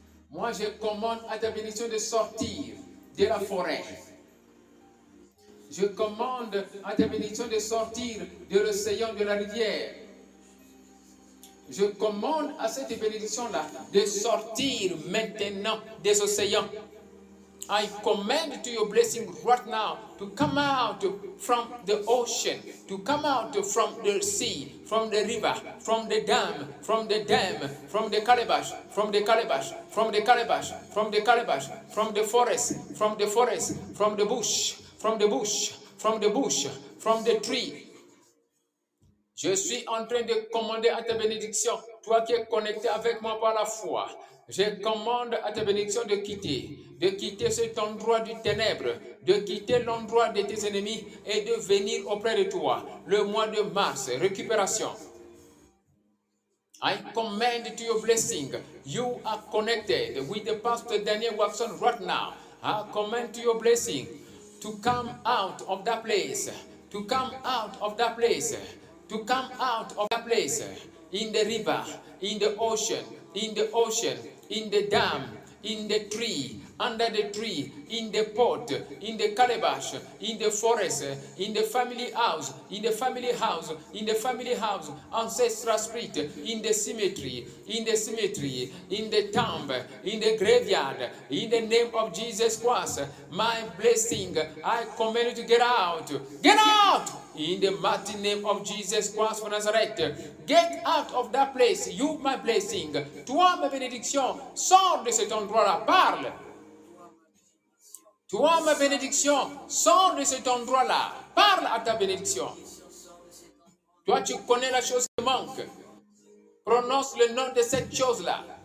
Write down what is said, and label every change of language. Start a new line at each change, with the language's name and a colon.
French: Moi, je commande à ta bénédiction de sortir de la forêt. Je commande à ta bénédiction de sortir de l'océan de la rivière. Je commande à cette bénédiction-là de sortir maintenant des océans.
English: I command to your blessing right now to come out from the ocean, to come out from the sea, from the river, from the dam, from the dam, from the calabash, from the calabash, from the calabash, from the calabash, from the forest, from the forest, from the bush. From the bush, from the bush, from the tree.
French: Je suis en train de commander à ta bénédiction, toi qui es connecté avec moi par la foi. Je commande à ta bénédiction de quitter cet endroit du ténèbre, de quitter l'endroit de tes ennemis et de venir auprès de toi. Le mois de mars, récupération.
English: I commend to your blessing. You are connected with the Pastor Daniel Watson right now. I commend to your blessing to come out of that place. To come out of that place. To come out of that place. In the river, in the ocean, in the ocean, in the dam, in the tree, under the tree, in the pot, in the calabash, in the forest, in the family house, in the family house, in the family house, ancestral spirit, in the cemetery, in the tomb, in the graveyard, in the name of Jesus Christ, my blessing, I command you to get out. Get out! In the mighty name of Jesus Christ of Nazareth, get out of that place, you my blessing.
French: Toi ma bénédiction, sors de cet endroit-là, parle. Toi ma bénédiction, sors de cet endroit-là, parle à ta bénédiction. Toi tu connais la chose qui manque, prononce le nom de cette chose-là.